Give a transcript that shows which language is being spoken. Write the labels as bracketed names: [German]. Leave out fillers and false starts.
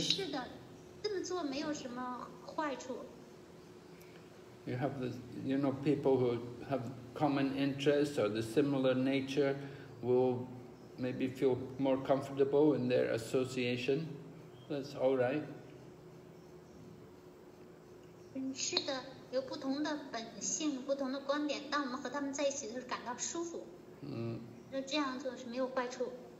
[Chinese] 是的，这么做没有什么坏处。 [English] You have people who have common interests or the similar nature will maybe feel more comfortable in their association. That's all right. [Chinese] 是的，有不同的本性，不同的观点，当我们和他们在一起的时候感到舒服。嗯。那这样做是没有坏处。